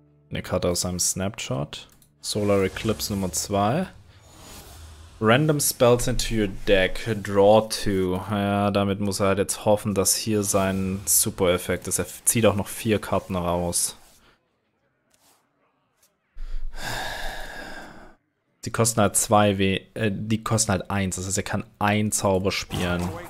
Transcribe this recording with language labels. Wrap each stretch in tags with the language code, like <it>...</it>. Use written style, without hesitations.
<de>Eine Karte aus seinem Snapshot. Solar Eclipse Nummer 2.</de> <en>Random spells into your deck. Draw 2.</en> <de>Ja, damit muss er halt jetzt hoffen, dass hier sein Super-Effekt ist. Er zieht auch noch 4 Karten raus. Die kosten halt 2 W. Die kosten halt 1. Das heißt, er kann einen Zauber spielen.</de>